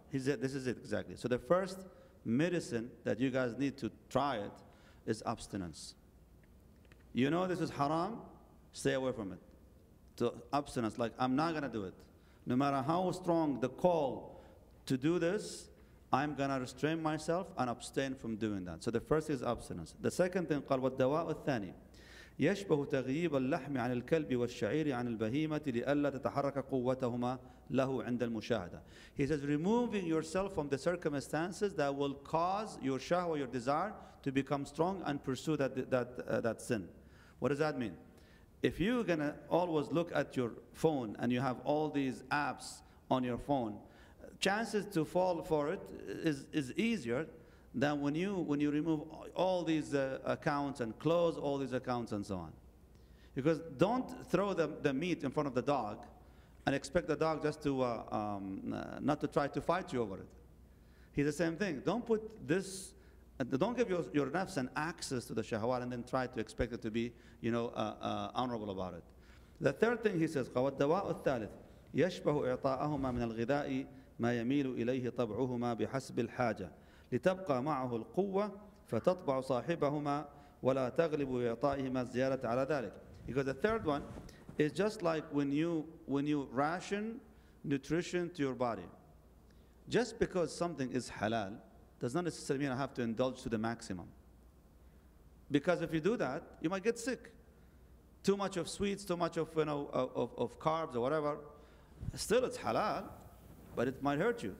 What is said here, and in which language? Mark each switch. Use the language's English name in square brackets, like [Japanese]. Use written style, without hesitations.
[English] He said, "This is it exactly." So the first medicine that you guys need to try it is abstinence. You know this is haram. Stay away from it. So abstinence, like I'm not gonna do it, no matter how strong the call to do this. I'm gonna restrain myself and abstain from doing that. So the first is abstinence. The second thing, [Arabic] قال والدواء الثاني يشبه تغييب اللحم عن الكلب والشعير عن البهيمة لئلا تتحرك قوتهما له عند المشاهدة. [English] He says, removing yourself from the circumstances that will cause your shahwa, your desire, to become strong and pursue that sin. What does that mean? If you're gonna always look at your phone and you have all these apps on your phone, chances to fall for it is easier than when you remove all these accounts and close all these accounts and so on. Because don't throw the meat in front of the dog and expect the dog just to not to try to fight you over it. He's the same thing. Don't put this, don't give your nafs an access to the shahwat and then try to expect it to be, you know, honorable about it. The third thing he says, [Arabic] قَوَ الدَّوَاءُ الثَّالِثِ يَشْبَهُ إِعْطَاءَهُمَا مِنَ الْغِذَاءِ ما يميل إليه طبعهما بحسب الحاجة لتبقى معه القوة فتطبع صاحبهما ولا تغلب إعطائهما الزيادة على ذلك. [English] Because the third one is just like when you ration nutrition to your body. Just because something is halal does not necessarily mean I have to indulge to the maximum. Because if you do that, you might get sick. Too much of sweets, too much of, you know, of carbs or whatever. Still, it's halal. But it might hurt you.